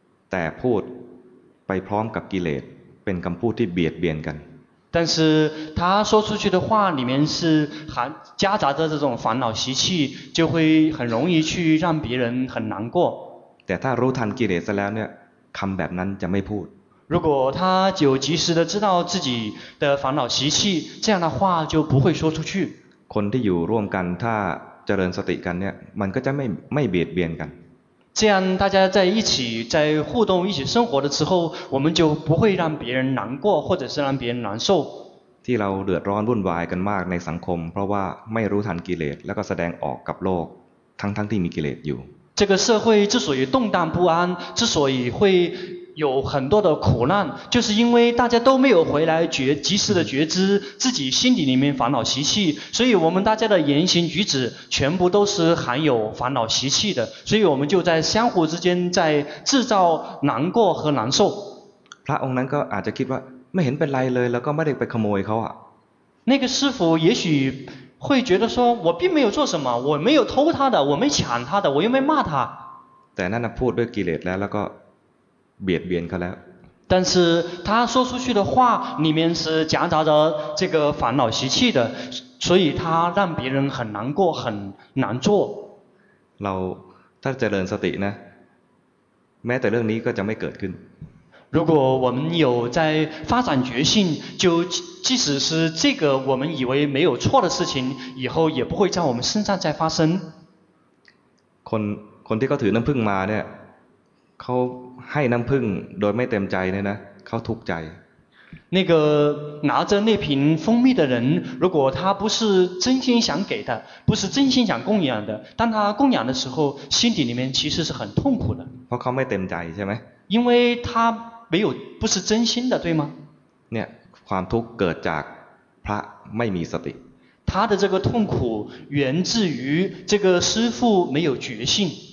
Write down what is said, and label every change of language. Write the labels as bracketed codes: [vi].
[th] แต่พูดไปพร้อมกับกิเลสเป็นคำพูดที่เบียดเบียนกัน [zh] 但是他说出去的话里面是含夹杂着这种烦恼习气，就会很容易去让别人很难过。 [th] แต่ถ้ารู้ทันกิเลสแล้วเนี่ยคำแบบนั้นจะไม่พูด。 [zh] 如果他有及时的知道自己的烦恼习气，这样的话就不会说出去。 [th] คนที่อยู่ร่วมกันถ้าเจริญสติกันเนี่ยมันก็จะไม่เบียดเบียนกัน。 [zh] 这样大家在一起在互动一起生活的时候，我们就不会让别人难过或者是让别人难受。 [th] ที่เราเดือดร้อนวุ่นวายกันมากในสังคมเพราะว่าไม่รู้ทันกิเลสแล้วก็แสดงออกกับโลกทั้งที่มีกิเลสอยู่ [zh] 这个社会之所以动荡不安之所以会有很多的苦难就是因为大家都没有回来及时的觉知自己心底里面烦恼习气所以我们大家的言行举止全部都是含有烦恼习气的所以我们就在相互之间在制造难过和难受 [th] พระองค์นั้นก็อาจจะคิดว่าไม่เห็นเป็นไรเลยแล้วก็ไม่ได้ไปขโมยเขาอ่ะ [zh] 那个师父也许会觉得说我并没有做什么我没有偷他的我没抢他的我又没骂他 [th] แต่นั่นพูดด้วยกิเลสแล้วก็เบียดเบียนเขาแล้ว [zh] 但是他说出去的话里面是夹杂着这个烦恼习气的所以他让别人很难过很难做 [th] เราถ้าเจริญสตินะแม้แต่เรื่องนี้ก็จะไม่เกิดขึ้น [zh] 如果我们有在发展觉性，就即使是这个我们以为没有错的事情，以后也不会在我们身上再发生。 [th] คนที่เขาถือน้ำผึ้งมาเนี่ยเขาให้น้ำผึ้งโดยไม่เต็มใจเนี่ยนะเขาทุกข์ใจ [zh] 那个拿着那瓶蜂蜜的人，如果他不是真心想给的，不是真心想供养的，当他供养的时候，心底里面其实是很痛苦的。 [th] เพราะเขาไม่เต็มใจใช่ไหม [zh] 因为他没有不是真心的对吗 [th] เนี่ยความทุกข์เกิดจากพระไม่มีสติ [zh] 他的这个痛苦源自于这个师父没有觉性